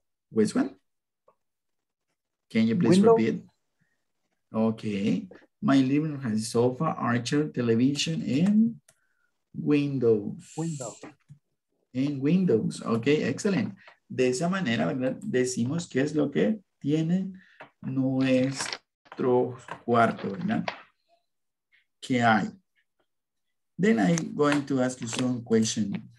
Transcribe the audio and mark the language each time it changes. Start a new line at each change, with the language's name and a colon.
English: Which one? Can you please repeat? Okay. My living room has sofa, armchair, television, and windows. Okay, excellent.
Spanish: De esa manera, ¿verdad? Decimos qué es lo que tiene nuestro cuarto, ¿verdad? ¿Qué hay?
English: Then I'm going to ask you some questions.